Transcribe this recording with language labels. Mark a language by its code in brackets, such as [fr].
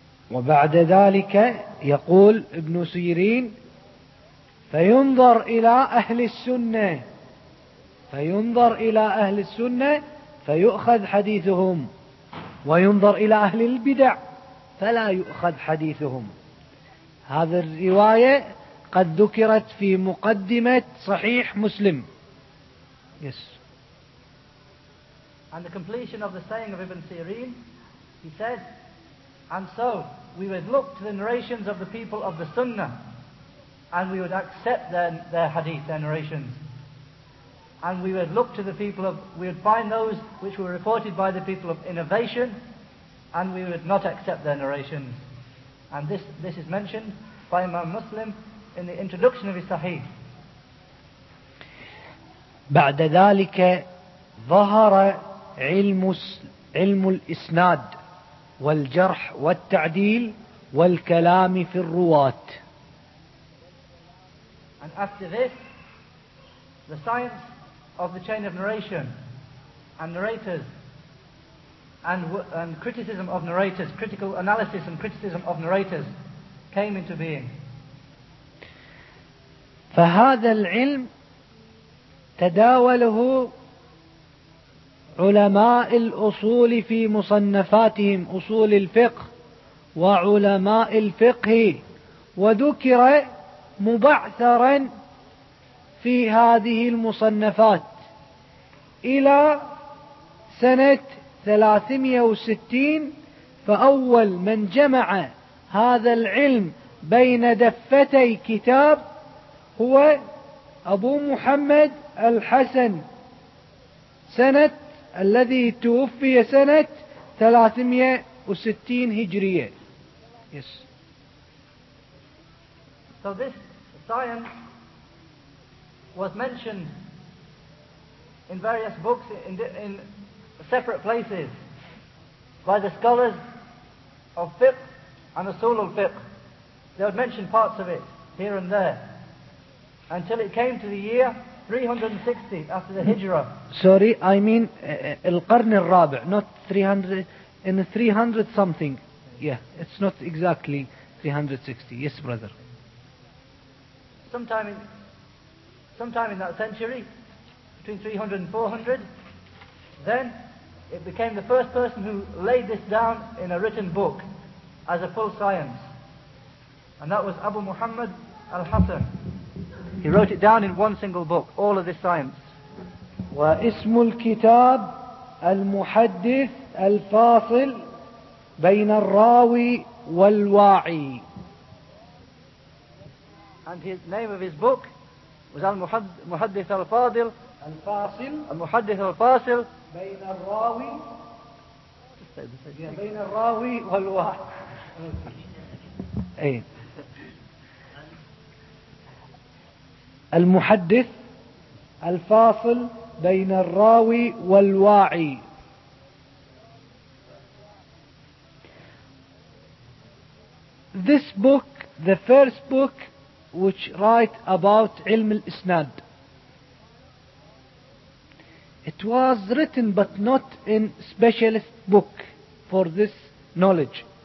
[ar] وبعد ذلك يقول ابن سيرين فينظر إلى أهل السنة فيؤخذ حديثهم وينظر إلى أهل البدع فلا يؤخذ حديثهم. هذه الرواية قد ذكرت في مقدمة صحيح مسلم. [en] Yes. And the completion of the saying of Ibn Sirin, he says, and so we would look to the narrations of the people of the Sunnah, and we would accept their hadith, their narrations. And we would look to the people of, we would find those which were reported by the people of innovation, and we would not accept their narrations. And this is mentioned by Imam Muslim in the introduction of his Sahih. [ar] بعد ذلك ظهر علم الإسناد والجرح والتعديل والكلام في الرواة. [en] And after this, the science of the chain of narration and narrators and criticism of narrators, critical analysis and criticism of narrators came into being. [ar] فهذا العلم تداوله علماء الأصول في مصنفاتهم أصول الفقه وعلماء الفقه وذكر مبعثرا في هذه المصنفات إلى سنة 360. فأول من جمع هذا العلم بين دفتي كتاب هو أبو محمد الحسن سنة الذي توفي سنة 360 هجرية. [en] Yes. So this science was mentioned in various books in separate places by the scholars of fiqh and usul al-fiqh. They would mention parts of it here and there until it came to the year 360 after the Hijrah. Sorry, I mean [ar] القرن الرابع, [en] not 300, in the 300 something. Yeah, it's not exactly 360. Yes, brother. Sometime in that century, between 300 and 400, then it became the first person who laid this down in a written book as a full science. And that was Abu Muhammad al-Hasan. He wrote it down in one single book, all of this science. [ar] واسم الكتاب المحدث الفاصل بين الراوي والواعي. [en] And his name of his book was Al-Muhaddith Al-Fadil. Al-Fasil. Al-Muhaddith Al-Fasil. [ar] بين الراوي. بين الراوي والواعي. المحدث الفاصل بين الراوي والواعي. [en] This book, the first book which write about ilm al-isnad, it was written but not in specialist book for this knowledge.